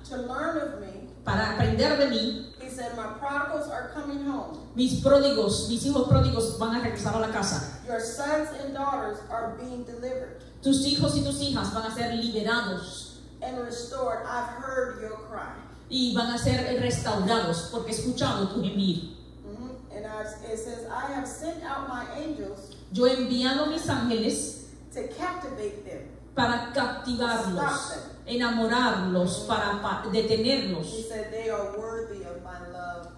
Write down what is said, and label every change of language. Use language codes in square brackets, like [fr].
[en] To learn of me. [es] Para aprender de mí. [en] And my prodigals are coming home. [es] Mis pródigos, mis hijos pródigos van a regresar a la casa. [en] Your sons and daughters are being delivered. [es] Tus hijos y tus hijas van a ser liberados. [en] And restored. I've heard your cry. [es] Y van a ser restaurados porque he escuchado tu gemir. [en] And it says, I have sent out my angels. [es] Yo he enviado mis ángeles [en] to captivate them. [es] Para captivarlos. [en] Stop them. [es] Enamorarlos, para detenerlos. [en] He said, they are worthy of my love.